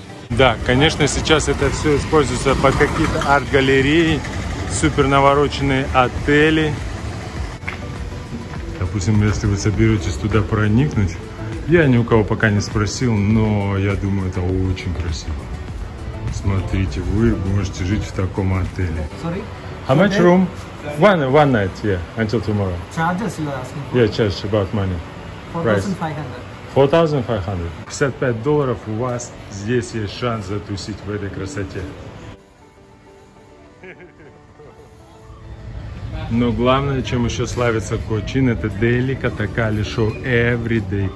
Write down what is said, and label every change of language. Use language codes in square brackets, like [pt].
[ru] Да, конечно, сейчас это все используется под какие-то арт-галереи, супер навороченные отели. Допустим, если вы соберетесь туда проникнуть, я ни у кого пока не спросил, но я думаю, это очень красиво. Смотрите, вы можете жить в таком отеле. [en] Sorry? How much room? One night, yeah, until tomorrow. Charges you are asking for? Yeah, charge about money. $4,500. [ru] $55 у вас, здесь есть шанс затусить в этой красоте. Но главное, чем еще славится Кочин, это Daily Katakali Show Everyday.